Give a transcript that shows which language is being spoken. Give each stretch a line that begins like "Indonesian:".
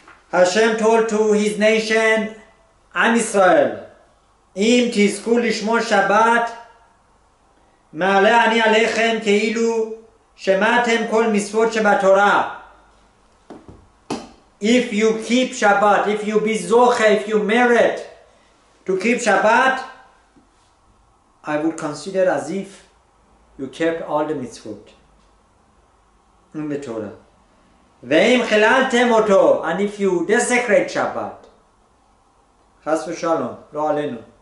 Hebrew: Hashem
English: told to his nation,
Hebrew: Am Israel, Im Tizku Lishmo Shabbat, מעלה אני עליכם כאילו שמעתם כל מצוות שבתורה.
English: If you keep Shabbat, if you be zoche, if you merit to keep Shabbat, I would consider as if you kept all the mitzvot in the Torah.
Hebrew: ואם חללתם אותו,
English: and if you desecrate Shabbat,
Hebrew: חס ושלום, לא עלינו.